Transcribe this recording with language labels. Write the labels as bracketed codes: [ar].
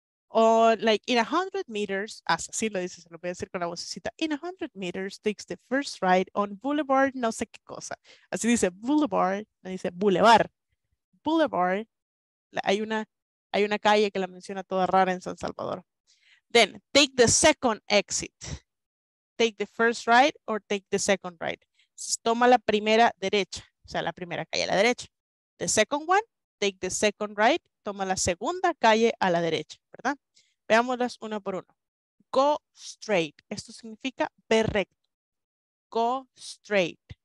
[es] O [en] like, in 100 meters, [es] hasta así lo dice, se lo voy a decir con la vocecita, [en] in 100 meters, take the first right on boulevard, [es] no sé qué cosa. Así dice, boulevard, me dice, boulevard. Boulevard, hay una calle que la menciona toda rara en San Salvador. [en] Then, take the second exit. Take the first right or take the second right. [es] Toma la primera derecha. O sea, la primera calle a la derecha. [en] The second one, take the second right. [es] Toma la segunda calle a la derecha, ¿verdad? Veámoslas una por una. [en] Go straight. [es] Esto significa ver recto. [en] Go straight.